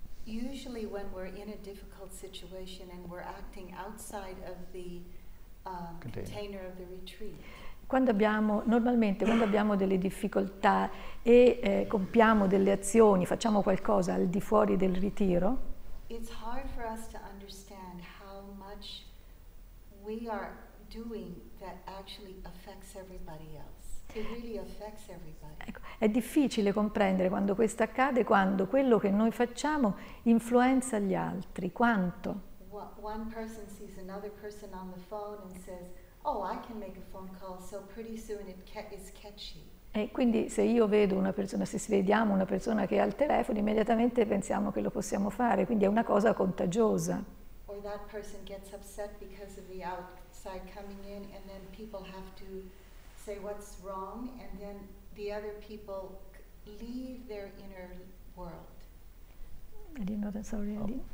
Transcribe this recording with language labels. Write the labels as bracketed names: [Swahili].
[English] Usually when we're in a difficult situation and we're acting outside of the container of the retreat. [Italian] Quando abbiamo delle difficoltà e compiamo delle azioni, facciamo qualcosa al di fuori del ritiro. [English] It's hard for us to understand how much we are doing that actually affects everybody else. It really affects everybody. [Italian] Ecco. È difficile comprendere quando questo accade, quando quello che noi facciamo influenza gli altri. Quanto? [English] One person sees another person on the phone and says, "Oh, I can make a phone call, so pretty soon it's catchy." [Italian] E quindi se io vedo una persona, se vediamo una persona che è al telefono, immediatamente pensiamo che lo possiamo fare, quindi è una cosa contagiosa. [English] Or that person gets upset because of the outside coming in and then people have to say what's wrong and then the other people leave their inner world.